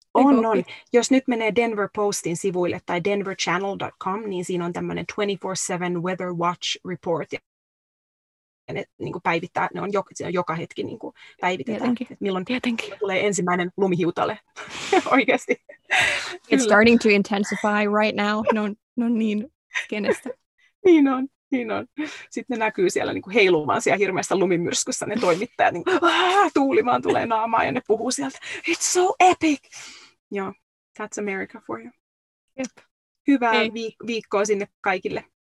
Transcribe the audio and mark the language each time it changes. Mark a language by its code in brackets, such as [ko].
[fi] On. Jos nyt menee Denver Postin sivuille tai denverchannel.com, niin siinä on tämmöinen 24/7 weather watch report. Ja ne niin kuin päivittää, ne on joka hetki niin kuin päivitetään. Milloin tietenkin tulee ensimmäinen lumihiutale. Oikeasti. [en] It's starting to intensify right now. [fi] No niin, kenestä? Niin on. Sitten ne näkyy siellä niin kuin heiluvan siellä hirveässä lumimyrskyssä. Ne toimittajat, niin tuuli vaan tulee naamaan ja ne puhuu sieltä. [en] It's so epic! Joo, that's America for you. Yep. [fi] Hyvää viikkoa sinne kaikille.